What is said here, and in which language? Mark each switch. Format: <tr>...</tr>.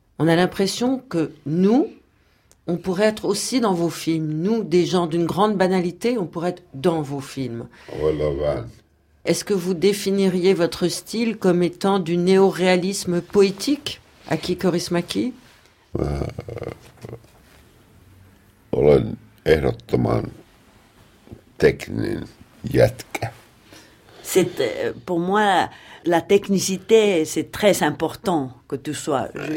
<fr>On a l'impression que nous, on pourrait être aussi dans vos films. Nous, des gens d'une grande banalité, on pourrait être dans vos films. Est-ce que vous définiriez votre style comme étant du néo-réalisme poétique, Aki Korismaki?</fr> <fi>Olen ehdottoman tekninen jätkä.</fi> <fr>C'est pour moi la technicité, c'est très important que tu sois.</fr>